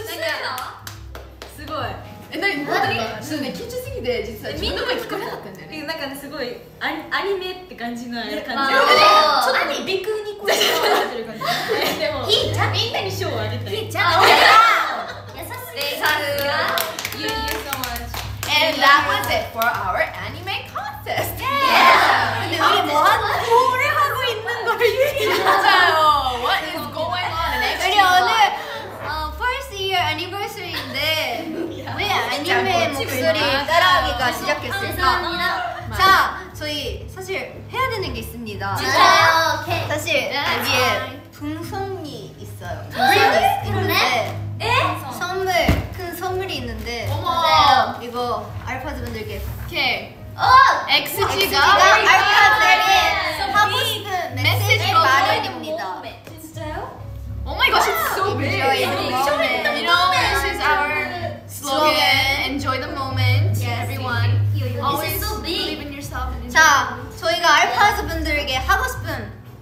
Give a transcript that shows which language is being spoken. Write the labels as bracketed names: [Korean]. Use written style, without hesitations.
[Japanese] 何本当にそうね、緊張すぎて実は自分の声聞こえなかったんだよね。なんかね、すごいアニメって感じの感じ、ね、ちょっとね、鼻腔に声が聞こえてる感じでもひーちゃん、みんなに賞をあげたい。ひーちゃん、優しい、さすが。 [English] And that was it for our anime contest. Yeah. Yeah. [Korean] 아, 뭐 하고 뭘 하고 있는 거예요? 진짜요. [English] What is going on next? [Korean] 우리 오늘 [English] first year anniversary [Korean] 인데 왜 애니메 목소리 따라하기가 시작했을까? 자, 저희 사실 해야 되는 게 있습니다. 진짜요? 사실 여기에 풍선이 있어요. 풍선이 있는데 선물. 선물이 있는데 어머. 이거 알파즈 분들께 오케이 XG가 알파즈에게 하고 싶은 메시지로 마련입니다. 진짜요? [English] 오마이갓 it's so big. Enjoy the moment. You know this is our slogan. Enjoy the moment. Yes, everyone always so believe in yourself. [Korean] 자 저희가 알파즈 분들에게 하고 싶은